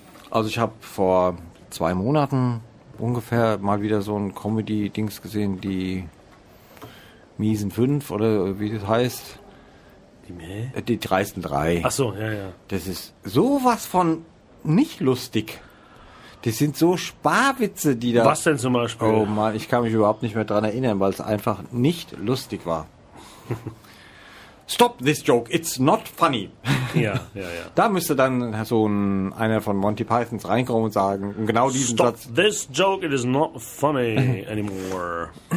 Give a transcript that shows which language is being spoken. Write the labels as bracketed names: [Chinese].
[German] Also ich habe vor 2 Monaten ungefähr mal wieder so ein Comedy-Dings gesehen, die miesen 5 oder wie das heißt. Die dreisten 3. Ach so, ja, ja. Das ist sowas von nicht lustig. Das sind so Sparwitze, die da... Was denn zum Beispiel? Oh Mann, ich kann mich überhaupt nicht mehr dran erinnern, weil es einfach nicht lustig war. [English] Stop this joke, it's not funny. [German] Ja, ja, ja. Da müsste dann so einer von Monty Pythons reinkommen und sagen, genau diesen [English] Stop [German] Satz. [English] Stop this joke, it is not funny anymore.